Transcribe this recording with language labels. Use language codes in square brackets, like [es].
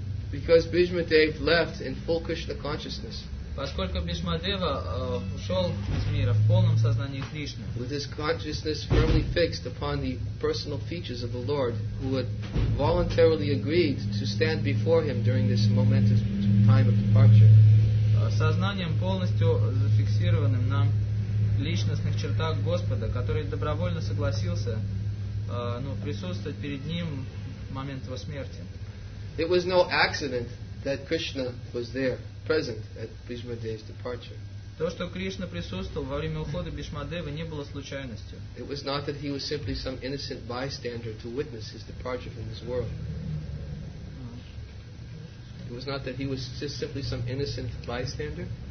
[en] Because Bhishma Dev left in full Krishna consciousness. [ru] Поскольку Бхишма Дева ушел из мира в полном сознании Кришны. [en] With his consciousness firmly fixed upon the personal features of the Lord, who had voluntarily agreed to stand before him during this momentous time of departure. [ru] Сознанием полностью зафиксированным на личностных чертах Господа, который добровольно согласился присутствовать перед ним в момент его смерти. [en] It was no accident that Krishna was there, present at Bhishma Dev's departure. [ru] То, что Кришна присутствовал во время ухода Бхишма Девы, не было случайностью. [en] It was not that he was simply some innocent bystander to witness his departure from this world. It was not that he was just simply some innocent bystander.